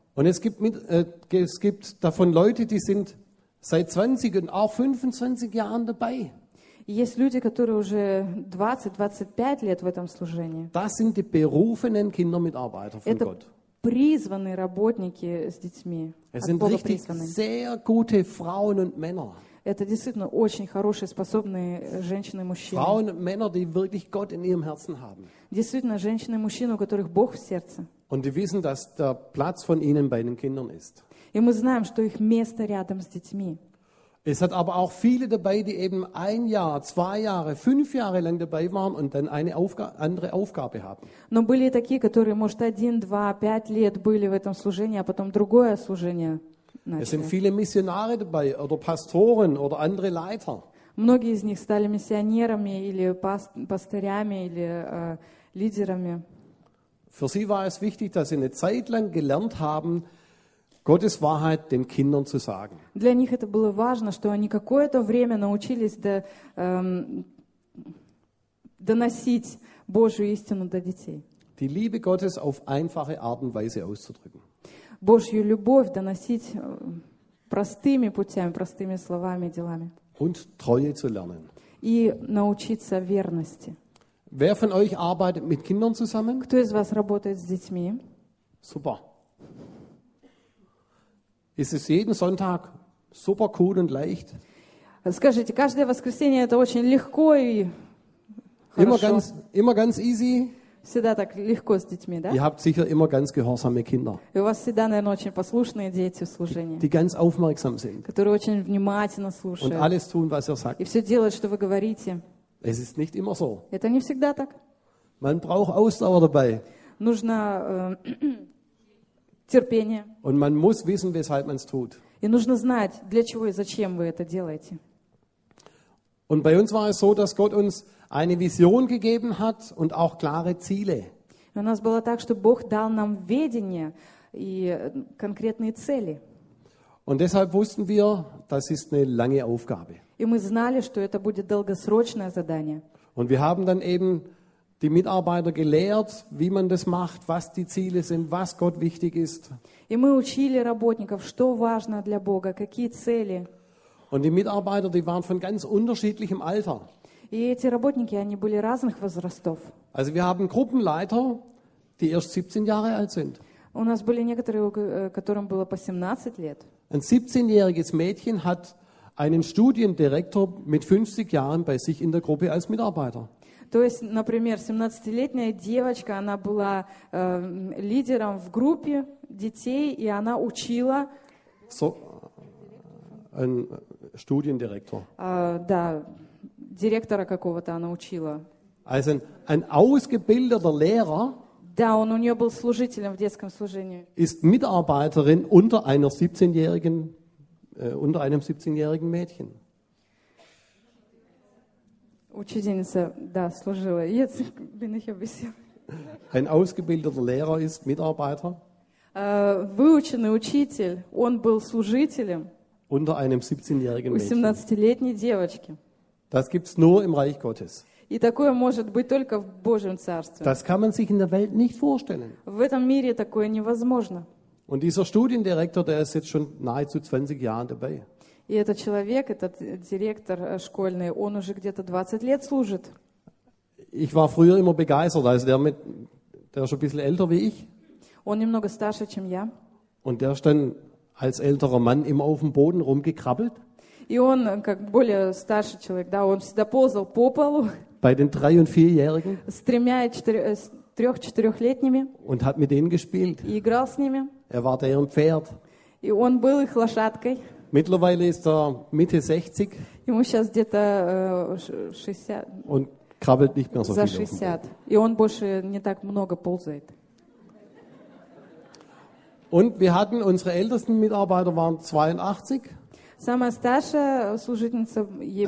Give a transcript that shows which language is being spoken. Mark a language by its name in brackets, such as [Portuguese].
[German] Und es gibt davon Leute, die sind seit 20 und auch 25 Jahren dabei. [Russian] Есть люди, которые уже 20-25 лет в этом служении. [German] Das sind die berufenen Kindermitarbeiter von Gott. [Russian] Это призванные работники с детьми. [German] Es sind richtig sehr gute Frauen und Männer. [Russian] Это действительно очень хорошие, способные женщины и мужчины. [German] Frauen und Männer, die wirklich Gott in ihrem Herzen haben. [Russian] Действительно женщины и мужчины, у которых Бог в сердце. [German] Und die wissen, dass der Platz von ihnen bei den Kindern ist. [Russian] И мы знаем, что их место рядом с детьми. [German] Es hat aber auch viele dabei, die eben ein Jahr, zwei Jahre, fünf Jahre lang dabei waren und dann eine andere Aufgabe haben. [Russian] Но были такие, которые, может, один, два, пять лет были в этом служении, а потом другое служение начали. [German] Es sind viele Missionare dabei oder Pastoren oder andere Leiter. [Russian] Многие из них стали миссионерами или пастырями или лидерами. [German] Für sie war es wichtig, dass sie eine Zeit lang gelernt haben, Gottes Wahrheit den Kindern zu sagen. [Russian] Для них это было важно, что они какое-то время научились доносить Божью истину до детей. [German] Die Liebe Gottes auf einfache Art und Weise auszudrücken. [Russian] Божью любовь доносить простыми путями, простыми словами, делами. [German] Und Treue zu lernen. [Russian] И научиться верности. [German] Wer von euch arbeitet mit Kindern zusammen? [Russian] Кто из вас работает с детьми? [German] Super. Ist es jeden Sonntag super cool und leicht? [Russian] Скажите, каждое воскресенье это очень легко и хорошо. [German] Immer ganz easy. [Russian] Всегда так легко с детьми, да? [German] Ihr habt sicher immer ganz gehorsame Kinder. [Russian] И у вас всегда, наверное, очень послушные дети в служении. [German] Die ganz aufmerksam sind. [Russian] Которые очень внимательно слушают. [German] Und alles tun, was ihr sagt. [Russian] И все делают, что вы говорите. [German] Es ist nicht immer so. [Russian] Это не всегда так. [German] Man braucht Ausdauer dabei. [Russian] Нужно терпение. [German] Und man muss wissen, weshalb man es tut. [Russian] И нужно знать, для чего и зачем вы это делаете. [German] Und bei uns war es so, dass Gott uns eine Vision gegeben hat und auch klare Ziele. [Russian] У нас было так, что Бог дал нам видение и конкретные цели. [German] Und deshalb wussten wir, das ist eine lange Aufgabe. [Russian] И мы знали, что это будет долгосрочное задание. [German] Und wir haben dann eben die Mitarbeiter gelehrt, wie man das macht, was die Ziele sind, was Gott wichtig ist. [Russian] И мы учили работников, что важно для Бога, какие цели. [German] Und die Mitarbeiter, die waren von ganz unterschiedlichem Alter. [Russian] И эти работники, они были разных возрастов. [German] Also wir haben Gruppenleiter, die erst 17 Jahre alt sind. [Russian] У нас были некоторые, которым было по 17 лет. [German] Ein 17-jähriges Mädchen hat einen Studiendirektor mit 50 Jahren bei sich in der Gruppe als Mitarbeiter. [Russian] То есть, например, 17-летняя девочка, она была лидером в группе детей, и она учила... [German] So, ein Studiendirektor. [Russian] Да, директора какого-то она учила. [German] Also ein ausgebildeter Lehrer... [Russian] Да, он у нее был служителем в детском служении. [German] Ist Mitarbeiterin unter einer 17-jährigen, unter einem 17-jährigen Mädchen. [Russian] Учительница, да, служила. [German] Jetzt bin ich ein bisschen. Ein ausgebildeter Lehrer ist Mitarbeiter. [Russian] Выученный учитель, он был служителем. [German] Unter einem 17-jährigen Mädchen. [Russian] У 17-летней девочки. [German] Das gibt's nur im Reich Gottes. [Russian] И такое может быть только в Божьем Царстве. [German] Das kann man sich in der Welt nicht vorstellen. [Russian] В этом мире такое невозможно. [German] Und dieser Studiendirektor, der ist jetzt schon nahezu 20 Jahren dabei. [Russian] И этот человек, этот директор школьный, он уже где-то 20 лет служит. [German] Ich war früher immer begeistert, also der ist schon ein bisschen älter wie ich. [Russian] Он немного старше, чем я. [German] Und der ist dann als älterer Mann immer auf dem Boden rumgekrabbelt. [Russian] И он, как более старший человек, да, он всегда ползал по полу. [German] Bei den 3- und 4-Jährigen. [Russian] С тремя и трех-четырехлетними. [German] Und hat mit denen gespielt. [Russian] И играл с ними. [German] Er war deren Pferd. [Russian] И он был их лошадкой. [German] Mittlerweile ist er Mitte 60. [Russian] Ему сейчас где-то 60. [German] Und krabbelt nicht mehr so viel. [Russian] За 60. И он больше не так много ползает. [German] Und wir hatten, unsere ältesten Mitarbeiter waren 82. [Russian] Самая старшая служительница ей